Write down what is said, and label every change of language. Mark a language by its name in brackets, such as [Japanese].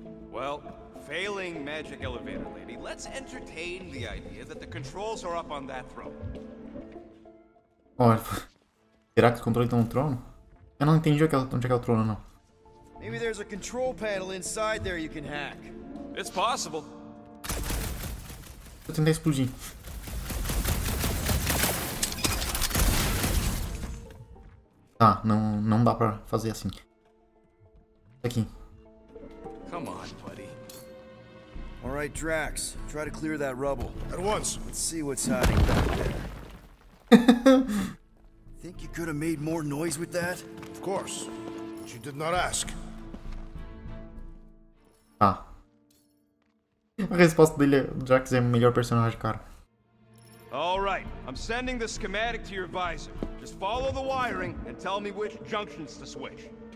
[English] Well, failing magic elevator lady, let's entertain the idea that the controls are up on that throne. [Portuguese] Olha, será que os controles estão no trono? Eu não entendi onde é que é o trono, não. [English] Maybe there's a control panel inside there you can hack. It's possible. [Portuguese] Vou tentar explodir. Ah, não dá pra fazer assim. Aqui. [English] Come on, buddy. All right, Drax, try to clear that rubble. At once. Let's see what's hiding back there. Think you could have made more noise with that? Of course. But you did not ask. Ah. [Portuguese] A resposta dele, o Drax é o melhor personagem, cara. [English] All right, I'm sending the schematic to your visor. Just follow the wiring and tell me which junctions to switch.